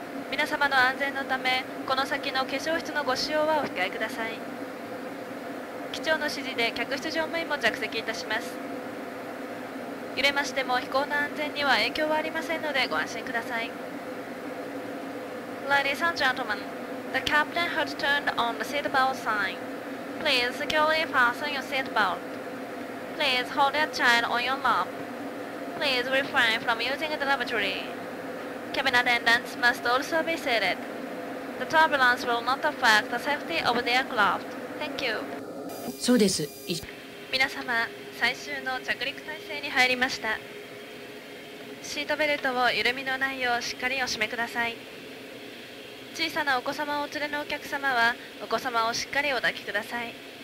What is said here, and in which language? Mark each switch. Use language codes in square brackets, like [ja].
[ja] 皆様の安全のためこの先の化粧室のご使用はお控えください。機長の指示で客室乗務員も着席いたします。揺れましても飛行の安全には影響はありませんのでご安心ください。 [en] Ladies and gentlemen, the captain has turned on the seatbelt sign. Please securely fasten your seatbelt. Please hold your child on your lap. Please refrain from using the lavatory. Cabin attendants must also be seated. The turbulence will not affect the safety of the aircraft. Thank you. [ja] そうです。皆様、最終の着陸態勢に入りました。シートベルトを緩みのないようしっかりお締めください。小さなお子様をお連れのお客様はお子様をしっかりお抱きください。